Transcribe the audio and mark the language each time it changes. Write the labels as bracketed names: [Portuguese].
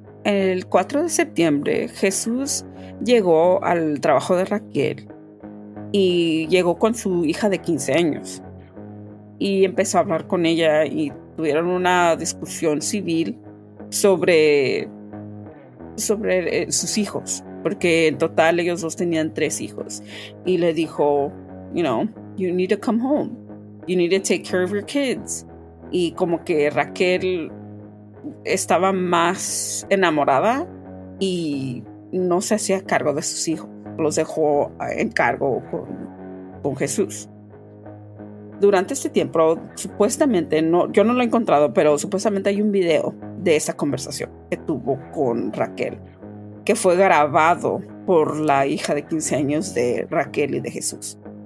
[Spanish] El 4 de septiembre, Jesús llegó al trabajo de Raquel y llegó con su hija de 15 años y empezó a hablar con ella y tuvieron una discusión civil sobre sus hijos, porque en total ellos dos tenían 3 hijos. Y le dijo, [English] you know, you need to come home. You need to take care of your kids. [Spanish] Y como que Raquel estaba más enamorada y no se hacía cargo de sus hijos. Los dejó en cargo con Jesús. Durante este tiempo, supuestamente, yo no lo he encontrado, pero supuestamente hay un video de esa conversación que tuvo con Raquel, que fue grabado por la hija de 15 años de Raquel y de Jesús.